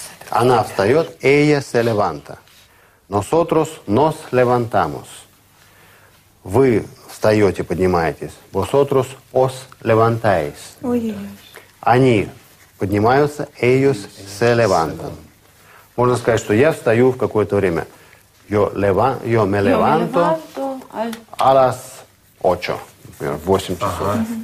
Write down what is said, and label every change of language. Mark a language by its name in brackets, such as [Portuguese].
[Russian] Она встает, [Spanish] ella se levanta. Nosotros nos levantamos. [Russian] Вы встаете, поднимаетесь. [Spanish] Vosotros os levantáis. [Russian] Они поднимаются, [Spanish] ellos se levantan. [Russian] Можно сказать, что я встаю в какое-то время. [Spanish] Yo me levanto a las 8, [Russian] например, 8 часов.